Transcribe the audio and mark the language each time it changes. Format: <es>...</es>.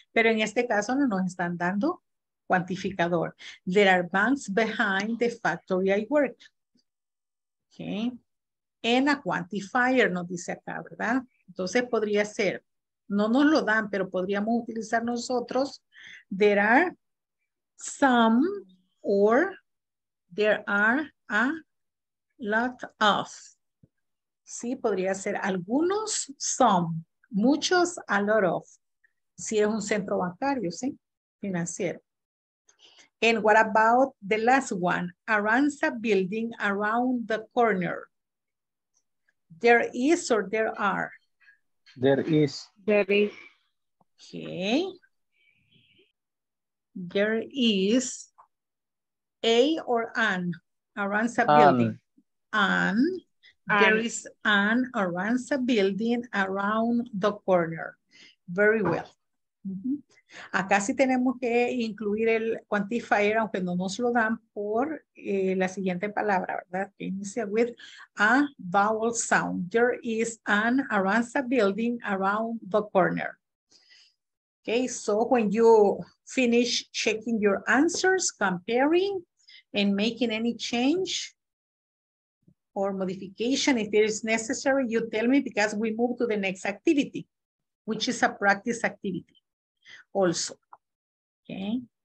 <es>Pero en este caso no nos están dando cuantificador.</es> <en>There are banks behind the factory I work.</en> <es>Okay.</es> <en>And a quantifier</en> <es>nos dice acá, ¿verdad? Entonces podría ser, no nos lo dan, pero podríamos utilizar nosotros.</es> <en>There are some or there are a lot of.</en> <es>Sí, podría ser algunos, some, muchos, a lot of. Si es un centro bancario, sí, financiero.</es> <en>And what about the last one? Aranza building around the corner. There is or there are. There is. Okay. There is a or an Aranza building. An. There is an Aranza building around the corner. Very well. Uh-huh.</en> <es>Acá sí tenemos que incluir el quantifier, aunque no nos lo dan, por la siguiente palabra, ¿verdad? Que inicia</es> <en>with a vowel sound. There is an Aranza building around the corner. Okay, so when you finish checking your answers, comparing and making any change or modification, if it is necessary, you tell me because we move to the next activity, which is a practice activity also, okay?</en>